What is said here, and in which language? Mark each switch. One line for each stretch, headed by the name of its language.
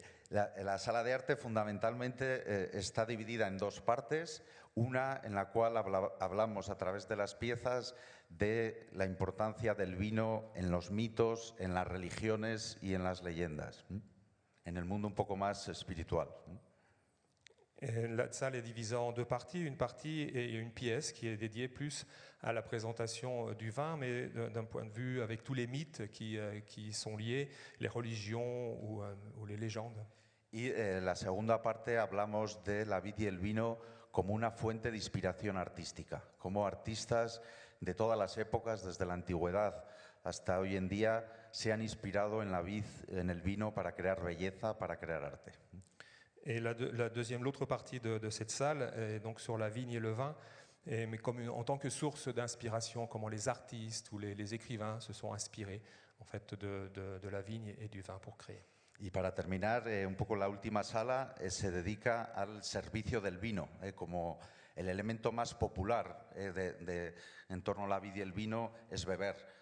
Spanish: La sala de arte fundamentalmente está dividida en dos partes, una en la cual hablamos a través de las piezas de la importancia del vino en los mitos, en las religiones y en las leyendas, en el mundo un poco más espiritual.
French: La salle est divisée en deux parties, une partie et une pièce qui est dédiée plus à la présentation du vin, mais d'un point de vue avec tous les mythes qui sont liés, les religions ou les légendes. Et la seconde partie,
Spanish: hablamos de la vid y el vino
French: comme une
Spanish: fuente d'inspiration artística, comme artistas de todas las épocas, desde la antigüedad hasta hoy en día, se han inspirado en la vid, en el vino, para crear belleza, para crear arte.
French: Et l'autre partie de cette salle est donc sur la vigne et le vin, en tant que source d'inspiration, comment les artistes ou les écrivains se sont inspirés en fait de la vigne et du vin pour créer.
Spanish: Y para terminar, un poco la última sala se dedica al servicio del vino, como el elemento más popular de en torno a la vid y el vino es beber.